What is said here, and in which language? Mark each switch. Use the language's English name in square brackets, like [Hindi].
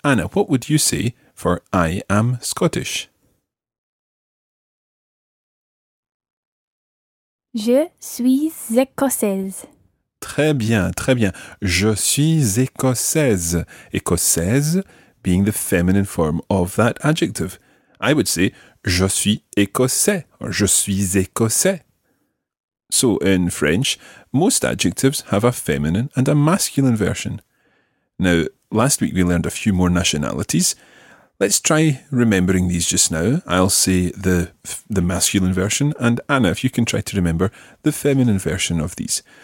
[English] Anna, what would you say for I am Scottish? [French] Je suis écossaise. Très bien, très bien. Je suis écossaise. [English] Écossaise being the feminine form of that adjective. I would say, [French] je suis écossais, [English] or je suis écossais. So, in French, most adjectives have a feminine and a masculine version. Now, last week we learned a few more nationalities. Let's try remembering these just now. I'll say the masculine version, and Anna, if you can try to remember the feminine version of these.